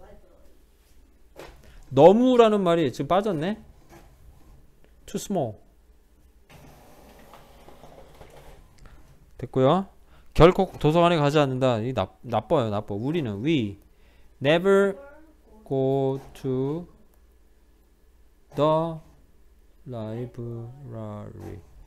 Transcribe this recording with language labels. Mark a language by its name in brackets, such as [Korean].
[English] We never go to the library. [Korean] 너무라는 말이 지금 빠졌네. [English] too small. [Korean] 됐고요. 결코 도서관에 가지 않는다. 이게 나빠요, 나빠. 우리는 [English] we never go to the library.